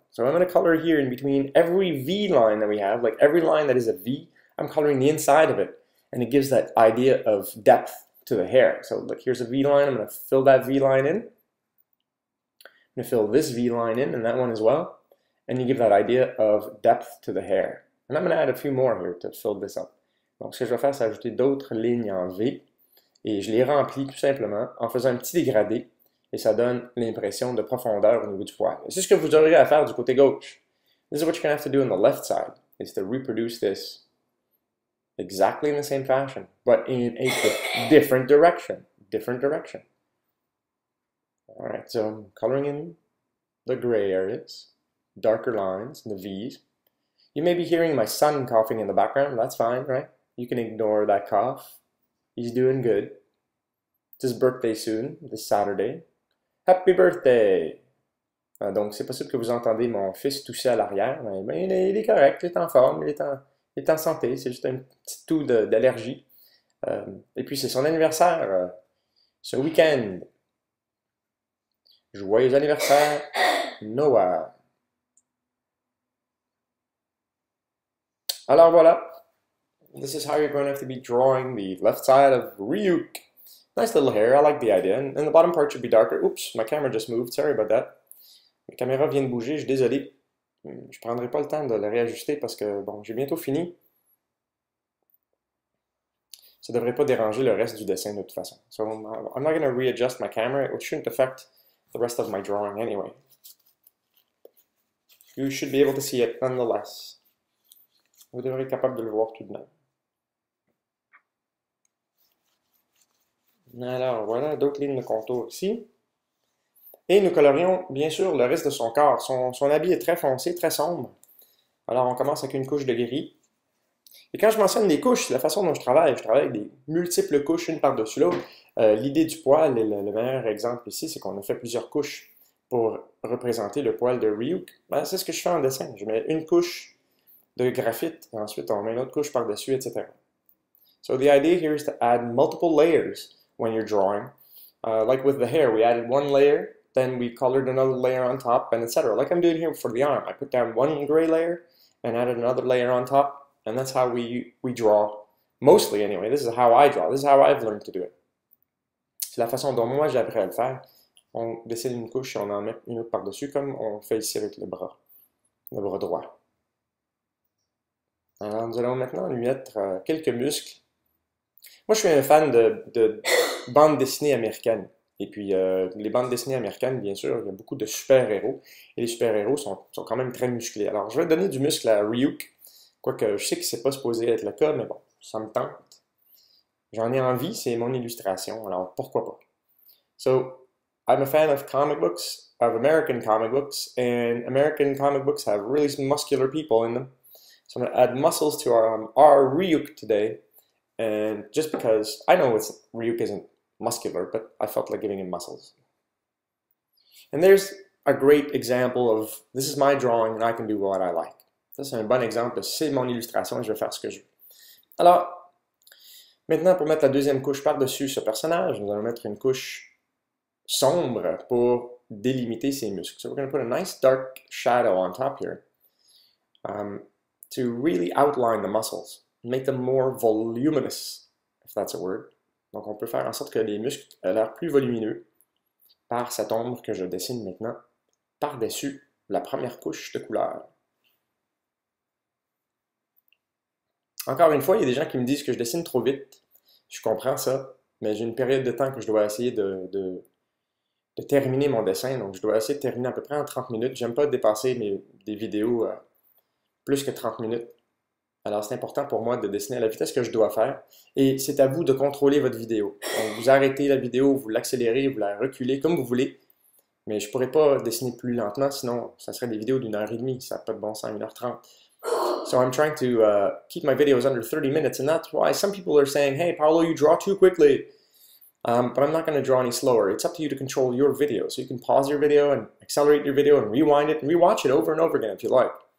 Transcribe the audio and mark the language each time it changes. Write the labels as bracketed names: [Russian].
[English] So I'm going to color here in between every V line that we have, like every line that is a V, I'm coloring the inside of it. And it gives that idea of depth to the hair. So look, here's a V line. I'm going to fill that V line in. I'm going to fill this V line in and that one as well. And you give that idea of depth to the hair. And I'm going to add a few more here to fill this up. [French] Donc, ce que je vais faire, c'est ajouter d'autres lignes en V. Et je les remplis tout simplement en faisant un petit dégradé. Et ça donne l'impression de profondeur au niveau du poil. Et c'est ce que vous aurez à faire du côté gauche. [English] This is what you're going to have to do on the left side. Is to reproduce this exactly in the same fashion. But in a different direction. Different direction. Alright, so I'm coloring in the gray areas. Darker lines, the V's. You may be hearing my son coughing in the background. That's fine, right? You can ignore that cough. He's doing good. It's his birthday soon, this Saturday. Happy birthday! [French] Donc, c'est possible que vous entendez mon fils tousser à l'arrière. Mais il est correct, il est en forme, est en santé, c'est juste un petit toux d'allergie. Et puis c'est son anniversaire ce week-end. Joyeux anniversaire, Noah. Alors voilà. [English] This is how you're going to have to be drawing the left side of Ryuk. Nice little hair, I like the idea. And the bottom part should be darker. Oops, my camera just moved, sorry about that. [French] Ma caméra vient de bouger, je suis désolé. Je prendrai pas le temps de la réajuster parce que, bon, j'ai bientôt fini. Ça devrait pas déranger le reste du dessin de toute façon. [English] So, I'm not going to readjust my camera. It shouldn't affect the rest of my drawing anyway. You should be able to see it nonetheless. [French] Vous devrez être capable de le voir tout de même. Alors, voilà, d'autres lignes de contour ici. Et nous colorions, bien sûr, le reste de son corps. Son habit est très foncé, très sombre. Alors, on commence avec une couche de gris. Et quand je mentionne les couches, la façon dont je travaille avec des multiples couches, une par-dessus l'autre. L'idée du poil, et le meilleur exemple ici, c'est qu'on a fait plusieurs couches pour représenter le poil de Ryuk. Ben, c'est ce que je fais en dessin. Je mets une couche de graphite, et ensuite on met une autre couche par-dessus, etc. [English] So the idea here is to add multiple layers when you're drawing. Like with the hair, we added one layer, then we colored another layer on top, and etc. Like I'm doing here for the arm. I put down one gray layer and added another layer on top, and that's how we draw. Mostly anyway, this is how I draw. This is how I've learned to do it. [French] C'est la façon dont moi j'ai appris à le faire. On dessine une couche et on en met une autre par-dessus, comme on fait ici avec le bras droit. Alors, nous allons maintenant lui mettre quelques muscles. Moi, je suis un fan de bandes dessinées américaines. Et puis, les bandes dessinées américaines, bien sûr, il y a beaucoup de super-héros. Et les super-héros sont quand même très musclés. Alors, je vais donner du muscle à Ryuk. Quoique, je sais que c'est pas supposé être le cas, mais bon, ça me tente. J'en ai envie, c'est mon illustration. Alors, pourquoi pas? [English] So, I'm a fan of comic books, of American comic books. And American comic books have really some muscular people in them. So I'm going to add muscles to our Ryuk today, and just because I know it's, Ryuk isn't muscular, but I felt like giving him muscles. And there's a great example of, this is my drawing and I can do what I like. [French] Ça c'est un bon exemple, c'est mon illustration et je vais faire ce que je veux. Alors, maintenant pour mettre la deuxième couche par-dessus ce personnage, nous allons mettre une couche sombre pour délimiter ses muscles. [English] So we're going to put a nice dark shadow on top here. To really outline the muscles, make them more voluminous, if that's a word. [French] Donc on peut faire en sorte que les muscles aient l'air plus volumineux par cette ombre que je dessine maintenant par-dessus la première couche de couleur. Encore une fois, il y a des gens qui me disent que je dessine trop vite. Je comprends ça, mais j'ai une période de temps que je dois essayer de terminer mon dessin. Donc je dois essayer de terminer à peu près en 30 minutes. J'aime pas dépasser des vidéos plus que 30 minutes. Alors c'est important pour moi de dessiner à la vitesse que je dois faire. Et c'est à vous de contrôler votre vidéo. Donc, vous arrêtez la vidéo, vous l'accélérez, vous la reculez, comme vous voulez. Mais je ne pourrais pas dessiner plus lentement, sinon ça serait des vidéos d'une heure et demie. Ça n'a pas de bon sens, 1h30. [English] So I'm trying to keep my videos under 30 minutes. And that's why some people are saying, hey Paolo, you draw too quickly. But I'm not going to draw any slower. It's up to you to control your video. So you can pause your video and accelerate your video and rewind it and rewatch it over and over again if you like.